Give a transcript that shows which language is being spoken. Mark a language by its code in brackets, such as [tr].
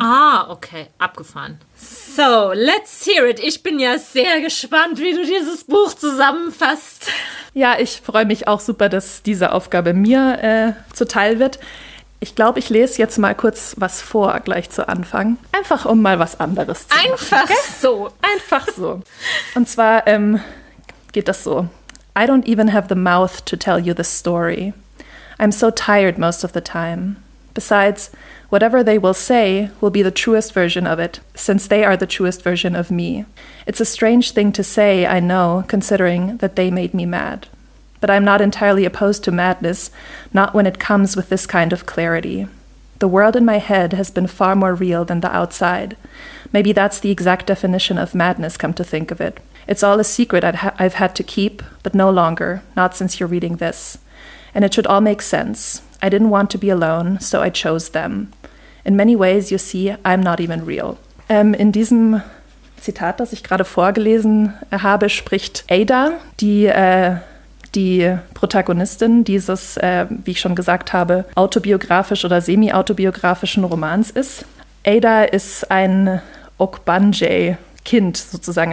[en] Ah, okay. [de] Abgefahren. [en] So, let's hear it. [de] Ich bin ja sehr gespannt, wie du dieses Buch zusammenfasst. Ja, ich freue mich auch super, dass diese Aufgabe mir zuteil wird. Ich glaube, ich lese jetzt mal kurz was vor, gleich zu Anfang. Einfach, um mal was anderes zu Einfach machen. Einfach so. Einfach so. Und zwar geht das so. [en] I don't even have the mouth to tell you the story. I'm so tired most of the time. Besides, whatever they will say will be the truest version of it, since they are the truest version of me. It's a strange thing to say, I know, considering that they made me mad. But I'm not entirely opposed to madness, not when it comes with this kind of clarity. The world in my head has been far more real than the outside. Maybe that's the exact definition of madness, come to think of it. It's all a secret I've had to keep, but no longer, not since you're reading this. And it should all make sense. I didn't want to be alone, so I chose them. In many ways, you see, I'm not even real. [de] In diesem Zitat, das ich gerade vorgelesen habe, spricht Ada, die Protagonistin dieses, wie ich schon gesagt habe, autobiografisch oder semi-autobiografischen Romans ist. Ada ist ein Ogbanje-Kind sozusagen.